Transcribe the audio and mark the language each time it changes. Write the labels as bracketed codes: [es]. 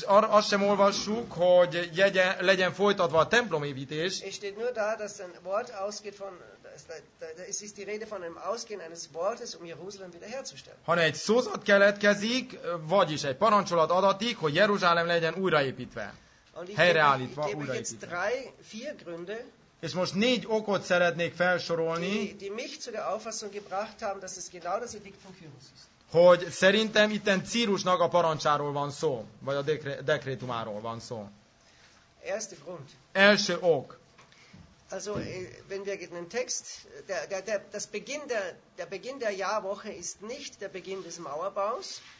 [hu] Azt sem olvassuk, hogy legyen folytatva a templomépítés. [de] Es steht nur da, dass ein Wort ausgeht von es ist die Rede von einem Ausgehen eines Wortes, um Jerusalem wiederherzustellen. [hu] Hanem egy szózat keletkezik, vagyis egy parancsolat adatik, hogy Jeruzsálem legyen újraépítve. Helyreállítva, újraépítve. [de] Jetzt drei, vier Gründe. [hu] És most négy okot szeretnék felsorolni, [de] die mich zu der Auffassung gebracht haben, dass es genau das Edikt von Kyrus ist. [hu] Hogy szerintem itten Círusnak a parancsáról van szó, vagy a dekrétumáról van szó. [de] Erste Grund. [hu] Első ok. [de] Also, wenn wir einen Text, der Beginn der Jahrwoche ist nicht der Beginn des Mauerbaus.